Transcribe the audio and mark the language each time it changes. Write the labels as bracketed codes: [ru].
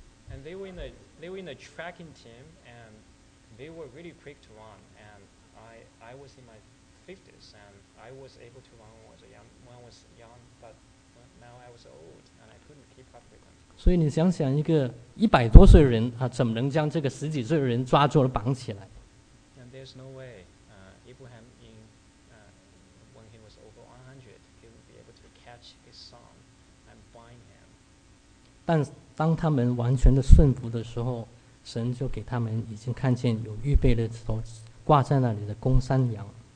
[en] And they were in a tracking team, and they were really quick to run. And I was in my50s and I was able to run when I was young but now I was old and I couldn't keep up with them. [zh] 所以你想想一个一百多岁的人怎么能将这个十几岁的人抓住了绑起来？ [en] And there's no way Abraham in when he was over 100 he would be able to catch his son and bind him. [zh] 但当他们完全的顺服的时候，神就给他们已经看见有预备了所挂在那里的公山羊。